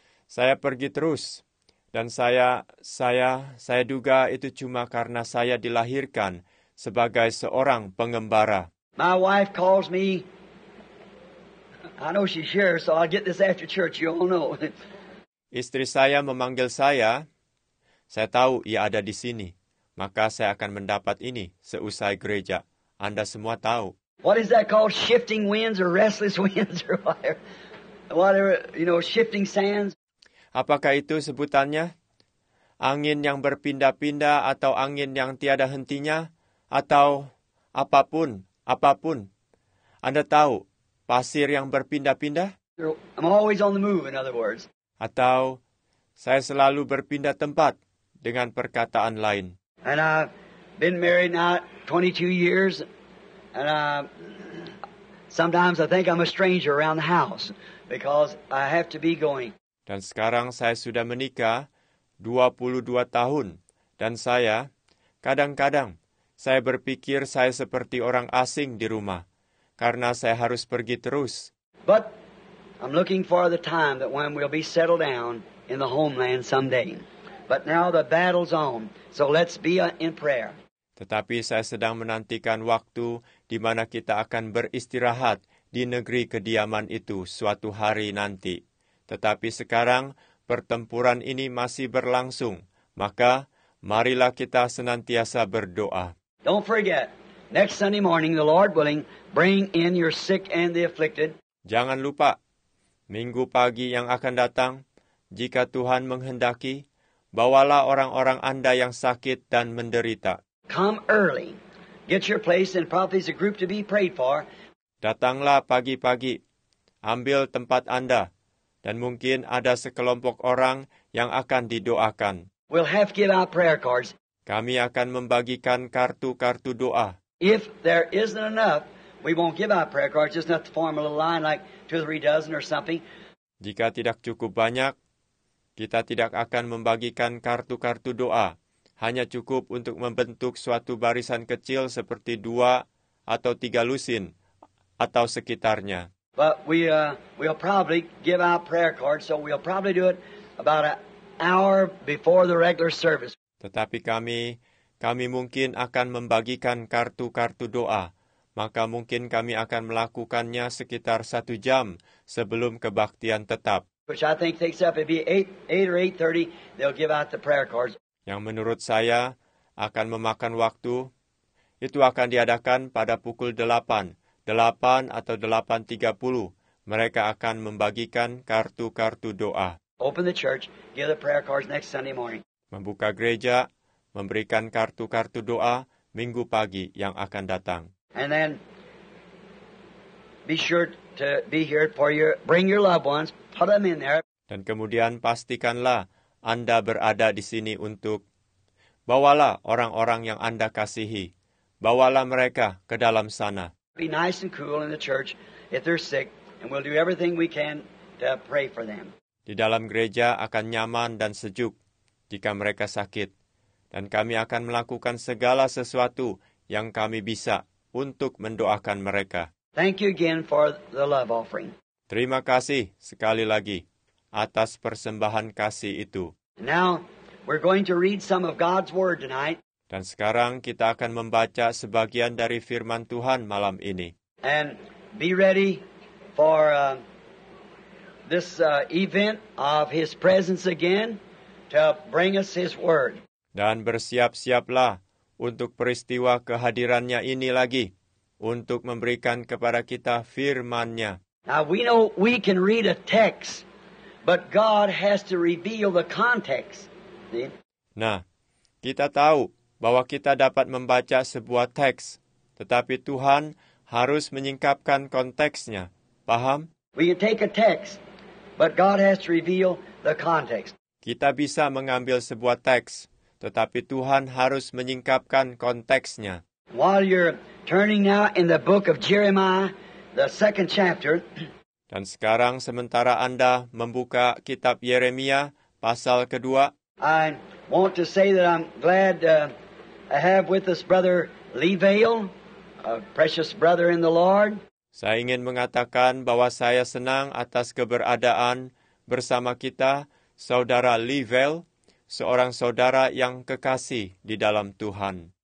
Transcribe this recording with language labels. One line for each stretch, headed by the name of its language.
Indonesian: Saya pergi terus dan saya duga itu cuma karena saya dilahirkan sebagai seorang pengembara.
English: My wife calls me. I know she's here, so I'll get this after church. You all know.
Indonesian: Istri saya memanggil saya. Saya tahu ia ada di sini, maka saya akan mendapat ini seusai gereja. Anda semua tahu.
English: What is that called? Shifting winds or restless winds or whatever, you know, shifting sands.
Indonesian: Apakah itu sebutannya? Angin yang berpindah-pindah atau angin yang tiada hentinya atau apapun. Anda tahu, pasir yang berpindah-pindah?
English: I'm always on the move, in other words.
Indonesian: Atau saya selalu berpindah tempat dengan perkataan lain.
English: And I've been married now 22 years. And sometimes I think I'm a stranger around the house because I have to be going.
Indonesian: Dan sekarang saya sudah menikah 22 tahun dan saya kadang-kadang saya berpikir saya seperti orang asing di rumah karena saya harus pergi terus.
English: But I'm looking for the time that when we'll be settled down in the homeland someday. But now the battle's on, so let's be in prayer.
Indonesian: Tetapi saya sedang menantikan waktu di mana kita akan beristirahat di negeri kediaman itu suatu hari nanti. Tetapi sekarang pertempuran ini masih berlangsung, maka marilah kita senantiasa berdoa.
English: Don't forget, next Sunday morning, the Lord willing, bring in your sick and the afflicted.
Indonesian: Jangan lupa, minggu pagi yang akan datang, jika Tuhan menghendaki, bawalah orang-orang Anda yang sakit dan menderita.
English: Come early. Get your place and probably a group to be prayed for.
Indonesian: Datanglah pagi-pagi. Ambil tempat Anda dan mungkin ada sekelompok orang yang akan didoakan.
English: We'll have to give out prayer cards.
Indonesian: Kami akan membagikan kartu-kartu doa.
English: If there isn't enough, we won't give out prayer cards. Just not to form a little line like 2 or 3 dozen or something.
Indonesian: Jika tidak cukup banyak, kita tidak akan membagikan kartu-kartu doa. Hanya cukup untuk membentuk suatu barisan kecil seperti 2 atau 3 lusin atau sekitarnya.
English: But we'll probably give out prayer cards, so we'll probably do it about an hour before the regular service.
Indonesian: Tetapi kami mungkin akan membagikan kartu-kartu doa, maka mungkin kami akan melakukannya sekitar 1 jam sebelum kebaktian tetap.
English: Which I think takes up, it'd be 8 or 8:30, they'll give out the prayer cards.
Indonesian: Yang menurut saya akan memakan waktu, itu akan diadakan pada pukul 8 atau 8:30 mereka akan membagikan kartu-kartu doa.
English: Open the church, give the prayer cards next Sunday morning.
Indonesian: Membuka gereja, memberikan kartu-kartu doa minggu pagi yang akan datang.
English: And then be sure to be here for your bring your loved ones, put them in there.
Indonesian: Dan kemudian pastikanlah Anda berada di sini untuk bawalah orang-orang yang Anda kasihi. Bawalah mereka ke dalam sana.
English: Be nice and cool in the church if they're sick, and we'll do everything we can to pray for them.
Indonesian: Di dalam gereja akan nyaman dan sejuk jika mereka sakit, dan kami akan melakukan segala sesuatu yang kami bisa untuk mendoakan mereka.
English: Thank you again for the love offering.
Indonesian: Terima kasih sekali lagi atas persembahan kasih itu.
English: Now we're going to read some of God's word tonight.
Indonesian: Dan sekarang kita akan membaca sebagian dari firman Tuhan malam ini.
English: And be ready for this event of his presence again to bring us his word.
Indonesian: Dan bersiap-siaplah untuk peristiwa kehadirannya ini lagi untuk memberikan kepada kita firman-Nya.
English: Now we know we can read a text, but God has to reveal the context.
Indonesian: Nah, kita tahu bahwa kita dapat membaca sebuah teks, tetapi Tuhan harus menyingkapkan konteksnya. Paham?
English: We can take a text, but God has to reveal the context.
Indonesian: Kita bisa mengambil sebuah teks, tetapi Tuhan harus menyingkapkan konteksnya.
English: While you're turning now in the book of Jeremiah, the second chapter.
Indonesian: Dan sekarang sementara Anda membuka kitab Yeremia pasal kedua.
English: I want to say that I'm glad I have with us Brother Lee Vale, a precious brother in the Lord.
Indonesian: Saya ingin mengatakan bahwa saya senang atas keberadaan bersama kita Saudara Lee Vale, seorang saudara yang kekasih di dalam Tuhan.